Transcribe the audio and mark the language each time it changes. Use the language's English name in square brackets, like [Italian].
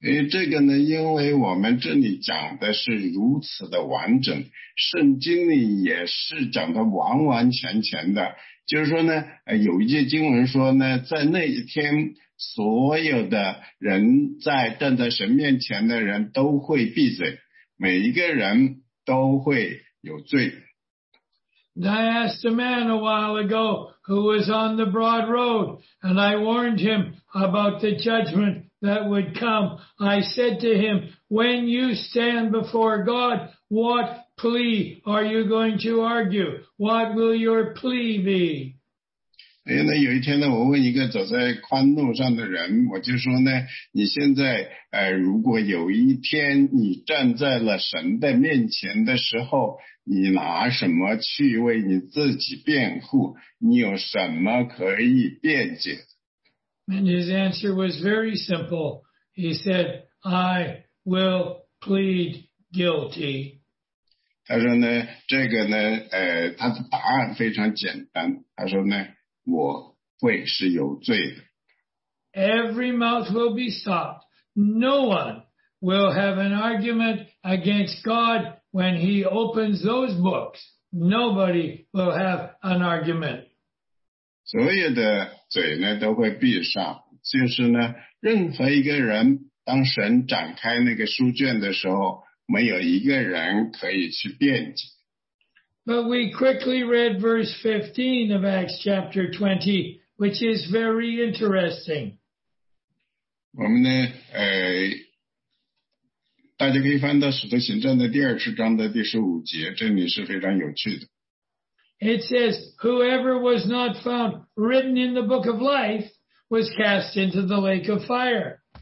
[Chinese] 这个呢，因为我们这里讲的是如此的完整，圣经里也是讲的完完全全的，就是说呢，有一节经文说呢，在那一天所有的人在站在神面前的人都会闭嘴，每一个人都会有罪。 [English] I asked a man a while ago who was on the broad road, and I warned him about the judgment that would come. I said to him, when you stand before God, what plea are you going to argue? What will your plea be? [Chinese] 那有一天呢，我问一个走在宽路上的人，我就说呢，你现在如果有一天你站在了神的面前的时候，你拿什么去为你自己辩护？你有什么可以辩解 [English] ？And his answer was very simple. He said, "I will plead guilty." [Chinese] 他说呢，这个呢，他的答案非常简单。他说呢，我会是有罪的。 [English] Every mouth will be stopped. No one will have an argument against God. When he opens those books, nobody will have an argument. [Chinese] 所有的嘴呢都会闭上，就是呢，任何一个人当神展开那个书卷的时候，没有一个人可以去辩解。 [English] But we quickly read verse 15 of Acts chapter 20, which is very interesting. [Chinese] 我们呢，大家可以翻到《使徒行传》的第二十章的第十五节，这里是非常有趣的。 [English] It says, whoever was not found written in the book of life was cast into the lake of fire.